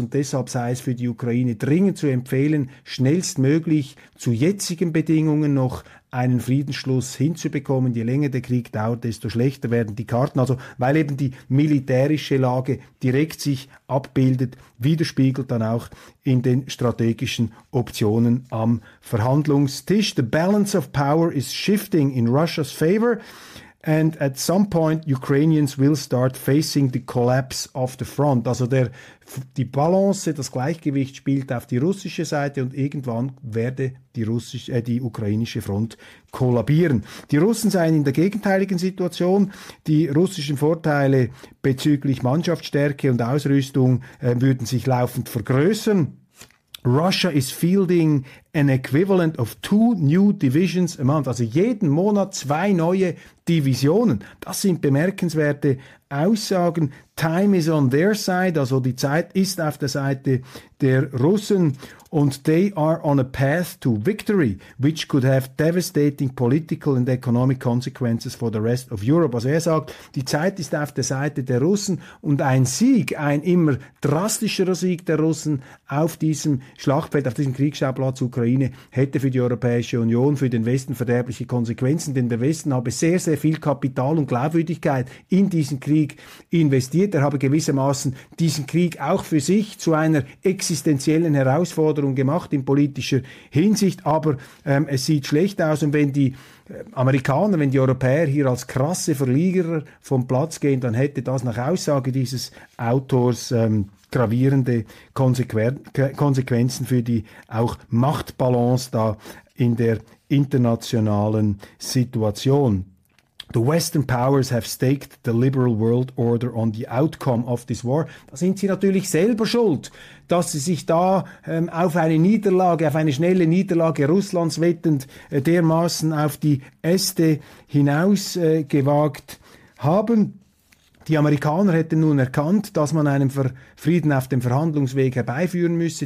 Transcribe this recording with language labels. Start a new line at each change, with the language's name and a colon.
German: Und deshalb sei es für die Ukraine dringend zu empfehlen, schnellstmöglich zu jetzigen Bedingungen noch einen Friedensschluss hinzubekommen. Je länger der Krieg dauert, desto schlechter werden die Karten. Also, weil eben die militärische Lage direkt sich abbildet, widerspiegelt dann auch in den strategischen Optionen am Verhandlungstisch.
English: The balance of power is shifting in Russia's favor. And at some point, Ukrainians will start facing the collapse of the front.
German: Also die Balance, das Gleichgewicht spielt auf die russische Seite und irgendwann werde die ukrainische Front kollabieren. Die Russen seien in der gegenteiligen Situation. Die russischen Vorteile bezüglich Mannschaftsstärke und Ausrüstung würden sich laufend vergrößern.
English: Russia is fielding an equivalent of 2 new divisions a month.
German: Also jeden Monat 2 neue Divisionen. Das sind bemerkenswerte Aussagen.
English: Time is on their side.
German: Also die Zeit ist auf der Seite der Russen.
English: Und they are on a path to victory, which could have devastating political and economic consequences for the rest of Europe.
German: Also er sagt, die Zeit ist auf der Seite der Russen und ein Sieg, ein immer drastischerer Sieg der Russen auf diesem Schlachtfeld, auf diesem Kriegsschauplatz Ukraine, hätte für die Europäische Union, für den Westen verderbliche Konsequenzen, denn der Westen habe sehr, sehr viel Kapital und Glaubwürdigkeit in diesen Krieg investiert. Er habe gewissermaßen diesen Krieg auch für sich zu einer existenziellen Herausforderung gemacht in politischer Hinsicht, aber es sieht schlecht aus. Und wenn die Amerikaner, wenn die Europäer hier als krasse Verlierer vom Platz gehen, dann hätte das nach Aussage dieses Autors gravierende Konsequenzen für die auch Machtbalance da in der internationalen Situation.
English: The Western powers have staked the liberal world order on the outcome of this war.
German: Da sind sie natürlich selber schuld, dass sie sich da auf eine Niederlage, auf eine schnelle Niederlage Russlands wettend dermaßen auf die Äste hinaus gewagt haben. Die Amerikaner hätten nun erkannt, dass man einen Frieden auf dem Verhandlungsweg herbeiführen müsse.